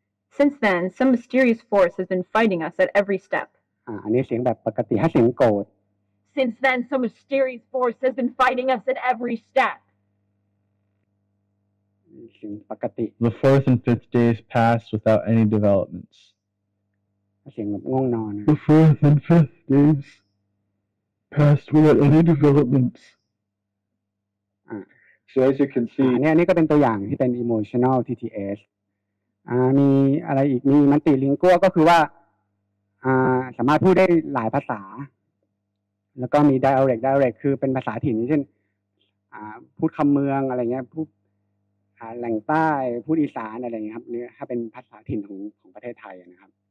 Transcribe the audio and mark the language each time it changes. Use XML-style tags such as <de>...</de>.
<en>Since then, some mysterious force has been fighting us at every step.</en> <th>นี่เสียงแบบปกติถ้าเสียงโกรธ</th> <en>Since then, some mysterious force has been fighting us at every step.</en> <th>ปกติ</th> <en>The fourth and fifth days passed without any developments.</en> <th>เสียงง่วงนอน</th> <en>The fourth and fifth days passed without any developments. So as you can see</en> <th>อันนี้ก็เป็นตัวอย่างที่เป็น emotional TTS มีอะไรอีกมี multilingual ก็คือว่าสามารถพูดได้หลายภาษาแล้วก็มี dialect คือเป็นภาษาถิ่นเช่นพูดคำเมืองอะไรเงี้ยพูดแหล่งใต้พูดอีสานอะไรเงี้ยครับเนี่ยถ้าเป็นภาษาถิ่นของประเทศไทยนะครับ</th>